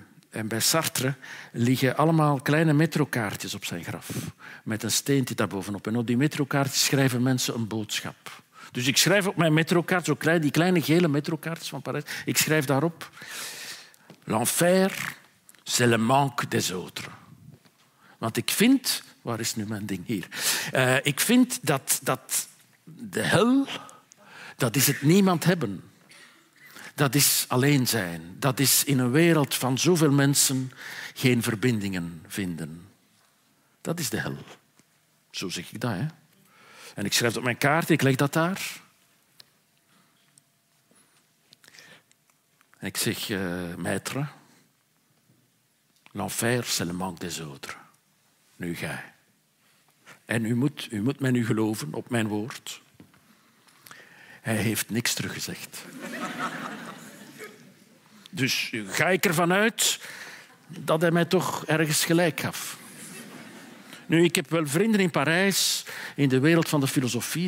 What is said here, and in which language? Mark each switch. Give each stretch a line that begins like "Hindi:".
Dutch: En bij Sartre liggen allemaal kleine metrokaartjes op zijn graf. Met een steentje daarbovenop. En op die metrokaartjes schrijven mensen een boodschap. Dus ik schrijf op mijn metrokaart, zo klein, die kleine gele metrokaartjes van Parijs. Ik schrijf daarop.
French: L'enfer, c'est le manque des autres.
Dutch: Want ik vind... Waar is nu mijn ding? Hier. Ik vind dat de hel, dat is het niemand hebben. Dat is alleen zijn. Dat is in een wereld van zoveel mensen geen verbindingen vinden. Dat is de hel. Zo zeg ik dat. Hè? En ik schrijf het op mijn kaart, ik leg dat daar. En ik zeg,
French: maître, l'enfer, c'est le manque des autres.
Dutch: Nu gij. En u moet mij nu geloven op mijn woord. Hij heeft niks teruggezegd. Dus ga ik ervan uit dat hij mij toch ergens gelijk gaf. Nu, ik heb wel vrienden in Parijs, in de wereld van de filosofie.